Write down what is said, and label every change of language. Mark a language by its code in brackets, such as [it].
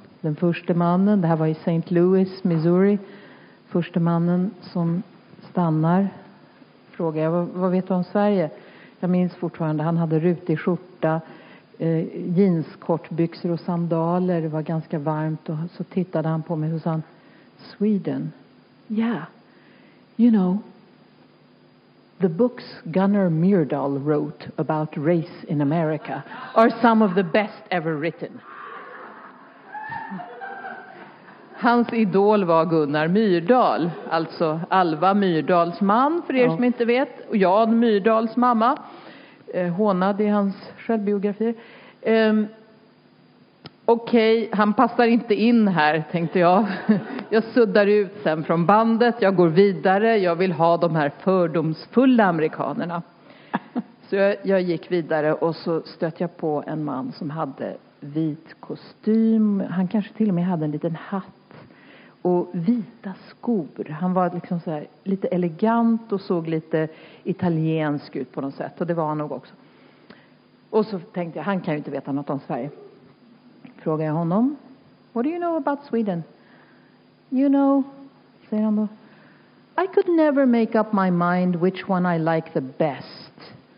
[sv] den första mannen. Det här var i St. Louis, Missouri. Första mannen som stannar. Frågar jag, vad vet du om Sverige? Jag minns fortfarande, han hade rutig skjorta, jeanskortbyxor och sandaler. Det var ganska varmt och så tittade han på mig och sa, Sweden. [en] Yeah, you know, the books Gunnar Myrdal wrote about race in America are some of the best ever written. [sv] Hans idol var Gunnar Myrdal, alltså Alva Myrdals man, för er som inte vet, och Jan Myrdals mamma. Hånad i hans självbiografi. Okej, han passar inte in här, tänkte jag. Jag suddar ut sen från bandet, jag går vidare, jag vill ha de här fördomsfulla amerikanerna. Så jag gick vidare och så stötte jag på en man som hade vit kostym. Han kanske till och med hade en liten hatt. Och vita skor. Han var liksom så här, lite elegant och såg lite italiensk ut på något sätt. Och det var han nog också. Och så tänkte jag, han kan ju inte veta något om Sverige. Frågade jag honom. [en] What do you know about Sweden? You know, [sv] säger han då. [en] I could never make up my mind which one I like the best.